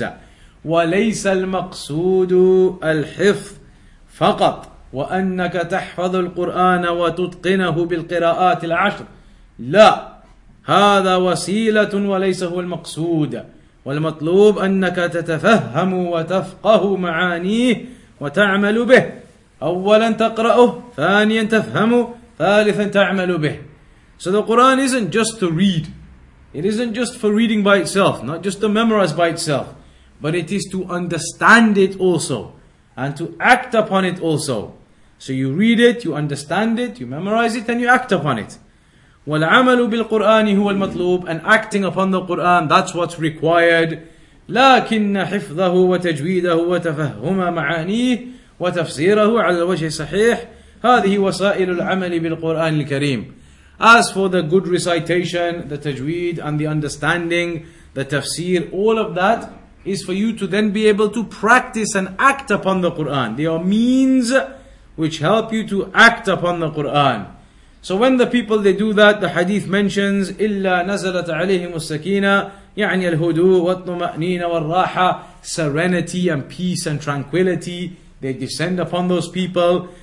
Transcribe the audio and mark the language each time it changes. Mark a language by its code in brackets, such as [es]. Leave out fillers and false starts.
[ar] وَلَيْسَ الْمَقْصُودُ الْحِفْظِ فَقَطْ وَأَنَّكَ تَحْفَظُ الْقُرْآنَ وَتُتْقِنَهُ بِالْقِرَاءَاتِ الْعَشْرِ, لا هذا وسيلة وليس هو المقصود والمطلوب أنك تتفهم وتفقه معانيه وتعمل به, أولا تقرأه, ثانيا تفهمه, ثالثا تعمل به. [en] So the Quran isn't just to read. It isn't just for reading by itself, not just to memorize by itself, but it is to understand it also and to act upon it also. So you read it, you understand it, you memorize it, and you act upon it. [ar] والعمل بالقرآن هو المطلوب, [en] and acting upon the Quran, that's what's required. [ar] لكن حفظه وتجويده وتفهم معانيه وتفسيره على الوجه الصحيح هذه وسائل العمل بالقرآن الكريم. [en] As for the good recitation, the tajweed and the understanding, the tafsir, all of that is for you to then be able to practice and act upon the Quran. They are means which help you to act upon the Quran. So when the people, they do that, the hadith mentions, [ar] إِلَّا نَزَلَتْ عَلَيْهِمُ السَّكِينَةِ يَعْنِي الْهُدُوء وَالطُمَأْنِينَ وَالرَّاحَةِ, [en] serenity and peace and tranquility, they descend upon those people.